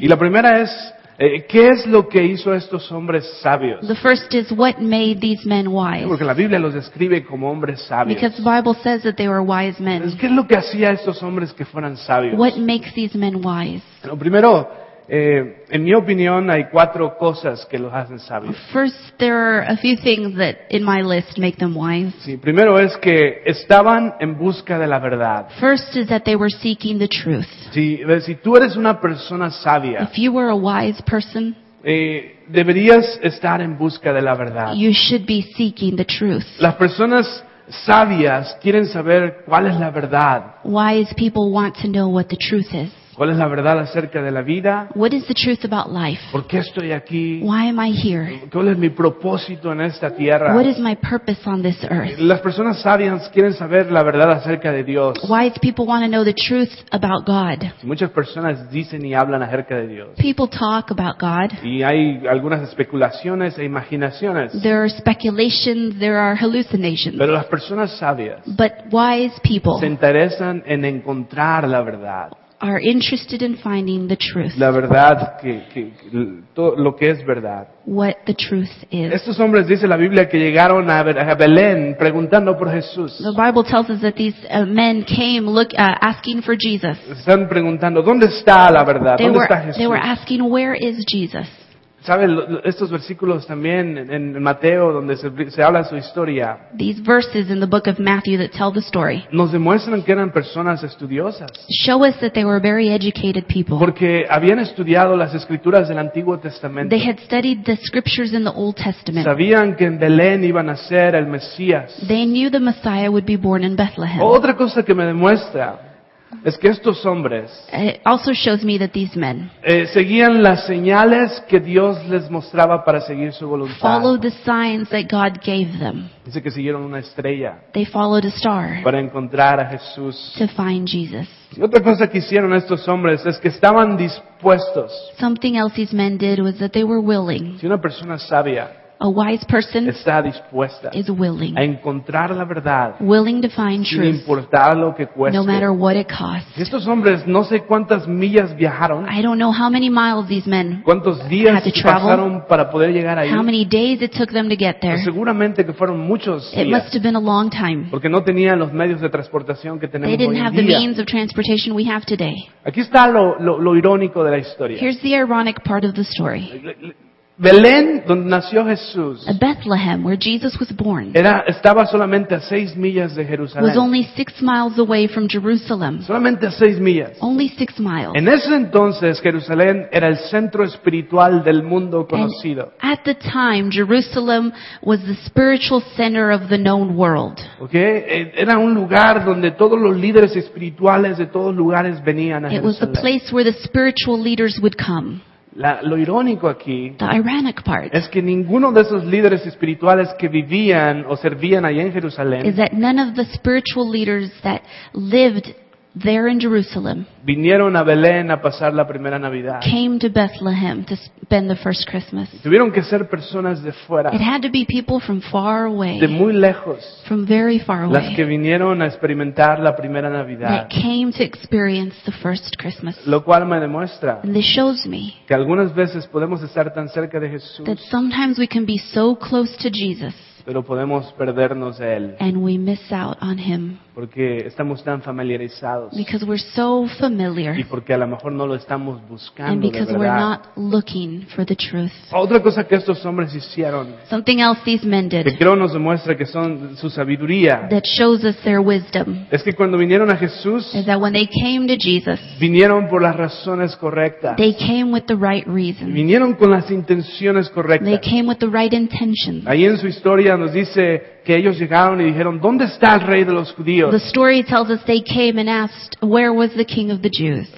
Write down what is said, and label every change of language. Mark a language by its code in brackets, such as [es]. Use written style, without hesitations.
[es] Y la primera es, ¿qué es lo que hizo a estos hombres sabios? [en] The first is what made these men wise. [es] Porque la Biblia los describe como hombres sabios. [en] Because the Bible says that they were wise men. [es] ¿Qué es lo que hacía a estos hombres que fueran sabios? [en] What makes these men wise? [es] Bueno, primero, en mi opinión hay cuatro cosas que los hacen sabios. [en] First, there are a few things that in my list make them wise. [es] Sí, primero es que estaban en busca de la verdad. [en] First is that they were seeking the truth. [es] Sí, si tú eres una persona sabia, [en] if you were a wise person, [es] deberías estar en busca de la verdad. [en] You should be seeking the truth. [es] Las personas sabias quieren saber cuál es la verdad. [en] Wise people want to know what the truth is. [es] ¿Cuál es la verdad acerca de la vida? [en] What is the truth about life? [es] ¿Por qué estoy aquí? [en] Why am I here? [es] ¿Cuál es mi propósito en esta tierra? [en] What is my purpose on this earth? [es] Las personas sabias quieren saber la verdad acerca de Dios. [en] Wise people want to know the truth about God. [es] Muchas personas dicen y hablan acerca de Dios. [en] People talk about God. [es] Y hay algunas especulaciones e imaginaciones. [en] There are speculations, there are hallucinations. [es] Pero las personas sabias, [en] but wise people, [es] se interesan en encontrar la verdad. [en] Are interested in finding the truth. [es] La verdad que todo lo que es verdad. [en] What the truth is. [es] Estos hombres dice la Biblia que llegaron a Belén preguntando por Jesús. [en] The Bible tells us that these men came asking for Jesus. [es] Están preguntando dónde está la verdad, dónde está Jesús. [en] They were asking where is Jesus. [es] ¿Saben estos versículos también en Mateo donde se habla su historia? [en] These verses in the book of Matthew that tell the story. [es] Nos demuestran que eran personas estudiosas. [en] Show us that they were very educated people. [es] Porque habían estudiado las escrituras del Antiguo Testamento. [en] They had studied the scriptures in the Old Testament. [es] Sabían que en Belén iba a nacer el Mesías. [en] They knew the Messiah would be born in Bethlehem. [es] Otra cosa que me demuestra es que estos hombres, [en] it also shows me that these men, [es] seguían las señales que Dios les mostraba para seguir su voluntad. [en] Followed the signs that God gave them. [es] Dice que siguieron una estrella. [en] They followed a star. [es] Para encontrar a Jesús. [en] To find Jesus. [es] Y otra cosa que hicieron estos hombres es que estaban dispuestos. [en] Something else these men did was that they were willing. [es] Si una persona sabia, [en] a wise person [es] está dispuesta, [en] is willing, [es] a encontrar la verdad, [en] willing to find truth, [es] sin importar lo que cueste, [en] no matter what it costs. [es] Estos hombres, no sé cuántas millas viajaron, [en] I don't know how many miles these men [es] cuántos días [en] had to travel, [es] pasaron para poder llegar ahí, [en] how many days it took them to get there. [es] Seguramente que fueron muchos días, [en] it must have been a long time, [es] porque no tenían los medios de transportación que tenemos hoy en día. [en] They didn't have the means of transportation we have today. [es] Aquí está lo irónico de la historia. [en] Here's the ironic part of the story. [es] Belén, donde nació Jesús, [en] Bethlehem, where Jesus was born, [es] estaba solamente a 6 millas de Jerusalén. [en] Was only 6 miles away from Jerusalem. [es] Solamente a 6 millas. [en] Only 6 miles. [es] En ese entonces, Jerusalén era el centro espiritual del mundo conocido. [en] And at the time, Jerusalem was the spiritual center of the known world. [es] Okay, era un lugar donde todos los líderes espirituales de todos lugares venían a [en] it [es] Jerusalén. [en] It was the place where the spiritual leaders would come. [es] Lo irónico aquí, [en] the ironic part, [es] es que ninguno de esos líderes espirituales que vivían o servían allá en Jerusalén, [en] is that none of the spiritual leaders that lived there in Jerusalem, [es] vinieron a Belén a pasar la primera Navidad, [en] came to Bethlehem to spend the first Christmas. [es] Tuvieron que ser personas de fuera, [en] it had to be people from far away, [es] de muy lejos, [en] from very far away, [es] las que vinieron a experimentar la primera Navidad, [en] that came to experience the first Christmas. [es] Lo cual me demuestra, [en] and this shows me, [es] que algunas veces podemos estar tan cerca de Jesús, [en] that sometimes we can be so close to Jesus, [es] pero podemos perdernos de él. [en] And we miss out on him. [es] Porque estamos tan familiarizados. [en] Because we're so familiar. [es] Y porque a lo mejor no lo estamos buscando. [en] And because [es] de verdad. [en] We're not looking for the truth. [es] Otra cosa que estos hombres hicieron. [en] Something else these men did. [es] Que creo nos demuestra que son su sabiduría. [en] That shows us their wisdom. [es] Es que cuando vinieron a Jesús, [en] is that when they came to Jesus, [es] vinieron por las razones correctas. [en] They came with the right reasons. [es] Vinieron con las intenciones correctas. [en] They came with the right intentions. [es] Ahí en su historia nos dice que ellos llegaron y dijeron, ¿dónde está el rey de los judíos? [en] The story tells us they came and asked, where was the king of the Jews?